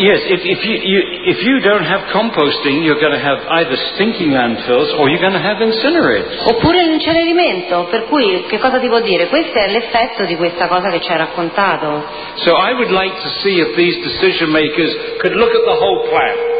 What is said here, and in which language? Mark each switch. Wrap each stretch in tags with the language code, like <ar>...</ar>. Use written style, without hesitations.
<en>Yes, if you don't have composting, you're going to have either stinking landfills or you're going to have incinerators.</en> <it>Oppure l'incenerimento, per cui che cosa ti può dire? Questo è l'effetto di questa cosa che ci hai raccontato.</it> <en>So I would like to see if these decision makers could look at the whole plan.</en>